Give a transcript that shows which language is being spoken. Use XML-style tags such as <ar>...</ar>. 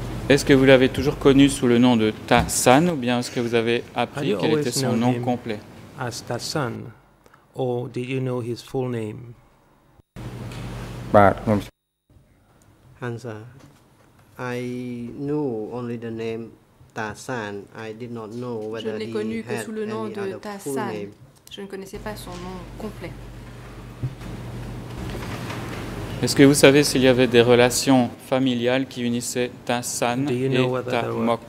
<fr>Est-ce que vous l'avez toujours connu sous le nom de Thasan ou bien est-ce que vous avez appris quel était son nom complet?</fr> <en>As Thasan, or did you know his full name? Answer, I knew only the name Thasan. I did not know whether he had any other full name.</en> <fr>Je ne connaissais pas son nom complet. Est-ce que vous savez s'il y avait des relations familiales qui unissaient Thasan et Tamok?</fr>